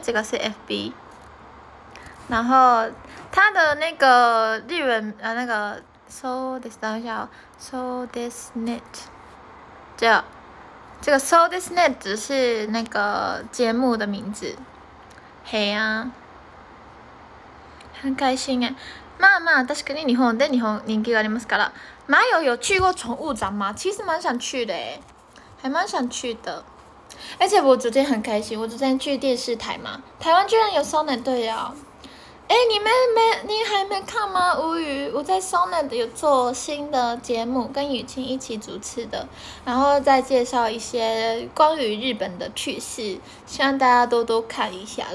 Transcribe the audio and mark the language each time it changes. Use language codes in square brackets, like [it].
[zh] 这个是 FB， 然后它的那个日文啊，那个 So this 等一下 ，So this net， 这个 So this net 只是那个节目的名字，嘿啊。很开心哎， [ja] まあまあ確かに日本で日本人気がありますから。 [zh] 麻友有去过宠物展吗？其实蛮想去的哎，还蛮想去的。而且我昨天很开心，我昨天去电视台嘛，台湾居然有 Sonnet 对呀。哎，你们没你还没看吗？无语，我在 Sonnet 有做新的节目，跟雨清一起主持的，然后再介绍一些关于日本的趣事，希望大家多多看一下。